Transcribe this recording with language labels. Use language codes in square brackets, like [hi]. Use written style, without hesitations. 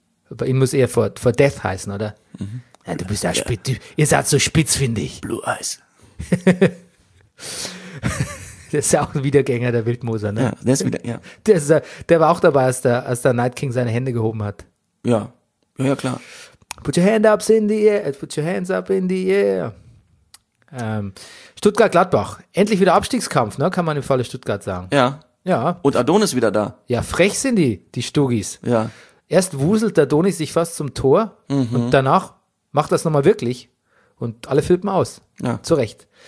[de] Bei Ihnen muss eher [en] for death [de] heißen, oder? Mhm. Ja, du bist auch spitz. Ihr seid so spitz, finde ich. [en] Blue Eyes. [de] Der ist ja auch ein Wiedergänger, der Wildmoser, ne? Ja, der ist wieder, ja. Der war auch dabei, als der Night King seine Hände gehoben hat. Ja. Ja, klar. [en] Put your hands up in the air. [de] Stuttgart-Gladbach. Endlich wieder Abstiegskampf, ne? Kann man im Falle Stuttgart sagen. Ja. Ja. Und Adonis wieder da. Ja, frech sind die Stugis. Ja. Erst wuselt der Adonis sich fast zum Tor und danach macht das nochmal wirklich und alle flippen aus. Ja. Zu Recht.